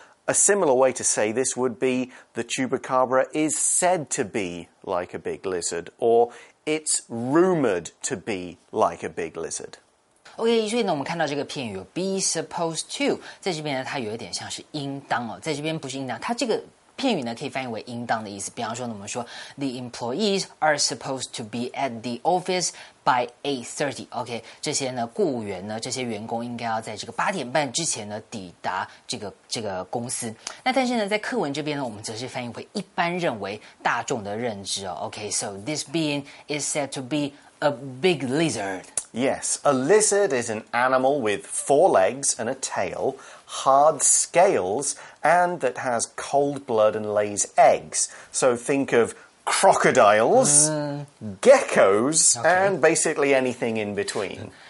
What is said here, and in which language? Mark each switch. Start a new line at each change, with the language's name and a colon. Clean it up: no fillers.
English: A similar way to say this would be the chupacabra is said to be like a big lizard, or it's rumored to be like a big lizard.
Chinese: Okay, 所以呢，我们看到这个片语
English: be supposed to,
Chinese: 在这边呢，它有一点像是应当哦，在这边不是应当，它这个片语呢可以翻译为应当的意思。比方说呢，我们说
English: the employees are supposed to be at the office by 8:30.
Chinese: Okay, 这些呢雇员呢，这些员工应该要在这个八点半之前呢抵达这个公司。那但是呢，在课文这边呢，我们则是翻译为一般认为大众的认知哦。
English: Okay, so this being is said to be a big lizard. Yes, a lizard is an animal with four legs and a tail. Hard scales and that has cold blood and lays eggs. So think of crocodiles, geckos, and basically anything in between.